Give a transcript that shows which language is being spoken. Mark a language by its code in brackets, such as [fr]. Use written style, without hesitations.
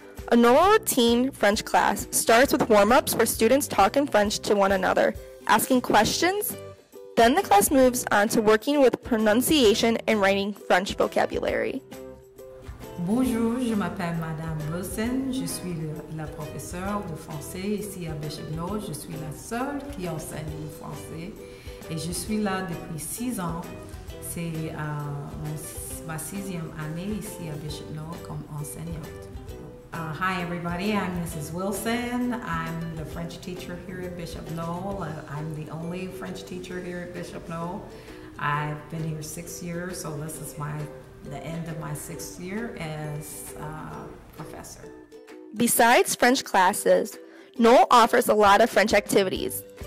[en] A normal routine French class starts with warm-ups where students talk in French to one another, asking questions. Then the class moves on to working with pronunciation and writing French vocabulary. [fr] Bonjour, je m'appelle Madame Wilson. Je suis la professeure de français ici à Bishop Knoll. Je suis la seule qui enseigne le français et je suis là depuis 6 ans. C'est ma sixième année ici à Bishop Knoll comme enseignante. [en] Hi everybody, I'm Mrs. Wilson. I'm the French teacher here at Bishop Knoll. I'm the only French teacher here at Bishop Knoll. I've been here 6 years, so this is the end of my 6th year as a professor. Besides French classes, Knoll offers a lot of French activities.